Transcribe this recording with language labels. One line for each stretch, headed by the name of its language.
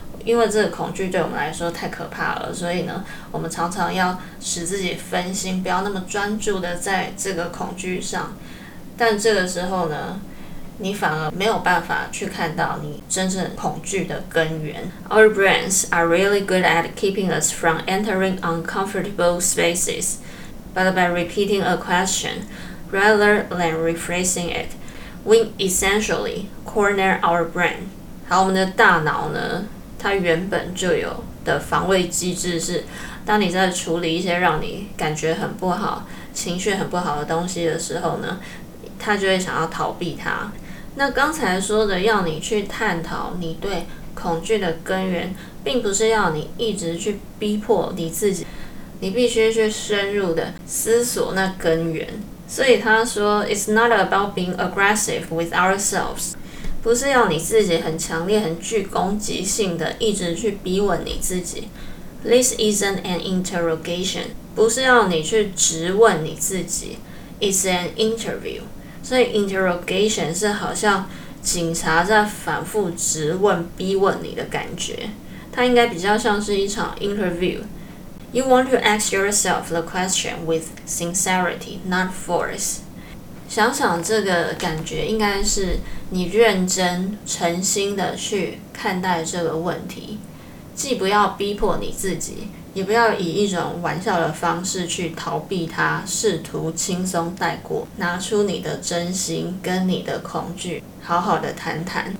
Chinese: 因为这个恐惧对我们来说太可怕了，所以呢，我们常常要使自己分心，不要那么专注的在这个恐惧上，但这个时候呢，你反而没有办法去看到你真正恐惧的根源。
English: Our brains are really good at keeping us from entering uncomfortable spaces, but by repeating a question rather than rephrasing it, we essentially corner our brain.
Chinese: 好，我们的大脑呢，它原本就有的防卫机制是当你在处理一些让你感觉很不好、情绪很不好的东西的时候呢，他就会想要逃避它。那刚才说的要你去探讨你对恐惧的根源，并不是要你一直去逼迫你自己，你必须去深入的思索那根源。所以他说
English: It's not about being aggressive with ourselves，
Chinese: 不是要你自己很强烈、很具攻击性的一直去逼问你自己。
English: This isn't an interrogation，
Chinese: 不是要你去质问你自己。
English: It's an interview。
Chinese: 所以 interrogation 是好像警察在反复质问、逼问你的感觉，它应该比较像是一场 interview。
English: You want to ask yourself the question with sincerity, not force.
Chinese: 想想这个感觉应该是你认真、诚心的去看待这个问题，既不要逼迫你自己，也不要以一种玩笑的方式去逃避它，试图轻松带过，拿出你的真心跟你的恐惧，好好的谈谈。